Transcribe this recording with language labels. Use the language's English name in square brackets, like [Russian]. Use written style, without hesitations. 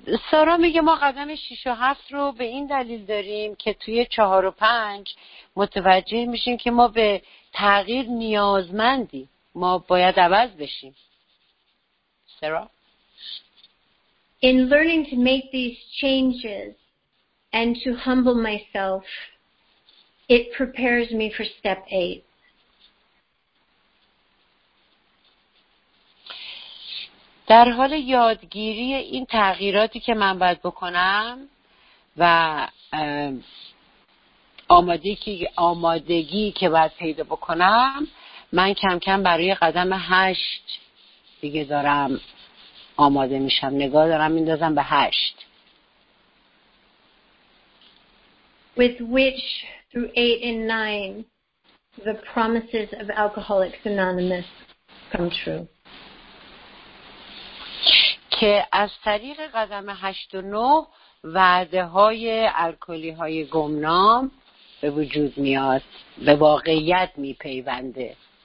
[Persian] Sara میگه ما قدم 6 و 7 رو به این دلیل داریم که توی 4 و 5 متوجه میشیم که ما به تغییر نیازمندی، ما باید عوض بشیم. [English] Sara? In learning to make these changes and to humble myself, it prepares me for step 8. [Persian] در حال یادگیری این تغییراتی که من باید بکنم و آمادگی که باید پیدا بکنم، من کم کم برای قدم 8 دیگه دارم آماده میشم، نگاه دارم میندازم به 8. [English] With which through 8 and 9 the promises of Alcoholics Anonymous come true. [Persian] که از طریق قدم 8 و 9 وعده های الکلی های گمنام به وجود میاد، به واقعیت میپیونده.